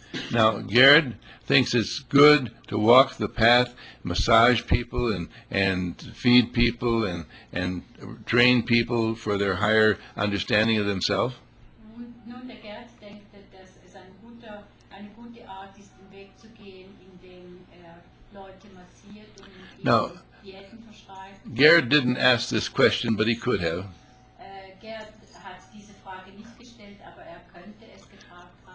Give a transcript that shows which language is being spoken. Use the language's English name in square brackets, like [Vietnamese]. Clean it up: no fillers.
[English] Now, Gerd thinks it's good to walk the path, massage people and feed people and train people for their higher understanding of themselves. [German] Nun, der Gerd denkt, dass es eine gute Art ist, den Weg zu gehen, indem Leute massiert und now, Diäten verschreibt. [English] Gerd didn't ask this question, but he could have. [German] Gerd hat diese Frage nicht gestellt, aber er könnte es gefragt haben.